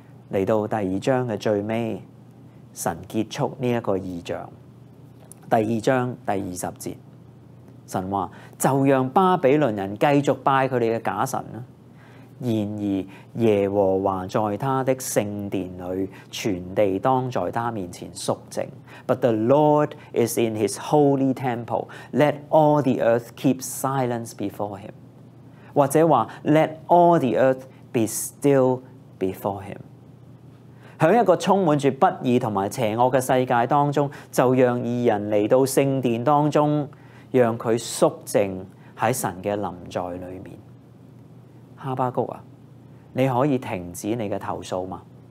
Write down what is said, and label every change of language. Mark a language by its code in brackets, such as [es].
[zh] 来到第二章的最尾，神结束这个异象。第二章第二十节，神说，就让巴比伦人继续拜他们的假神，然而耶和华在他的圣殿里，全地当在他面前肃静。 [en] But the Lord is in his holy temple, let all the earth keep silence before him， [zh] 或者说 [en] let all the earth be still before him。 [zh] 在一个充满着不义和邪恶的世界当中，就让二人来到圣殿当中，让他肃静在神的临在里面。哈巴谷啊，你可以停止你的投诉吗？